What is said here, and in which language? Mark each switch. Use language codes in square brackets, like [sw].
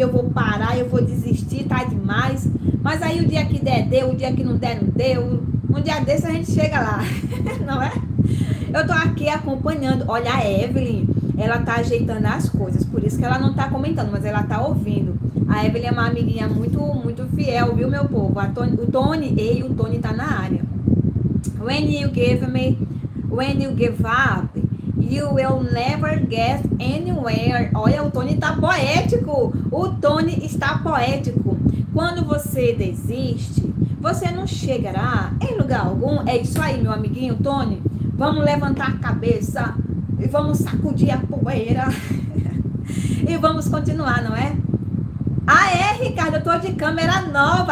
[pt] Eu vou parar, eu vou desistir, tá demais. Mas aí o dia que der, deu. O dia que não der, não deu. Um dia desse a gente chega lá, não é? Eu tô aqui acompanhando. Olha, a Evelyn, ela tá ajeitando as coisas, por isso que ela não tá comentando, mas ela tá ouvindo. A Evelyn é uma amiguinha muito, muito fiel, viu, meu povo? O Tony tá na área. [en] When you give me, when you give up, you will never get anywhere. [pt] Olha, o Tony tá poético. O Tony está poético. Quando você desiste, você não chegará em lugar algum. É isso aí, meu amiguinho Tony. Vamos levantar a cabeça e vamos sacudir a poeira. E vamos continuar, não é? Aê, Ricardo, eu tô de câmera nova.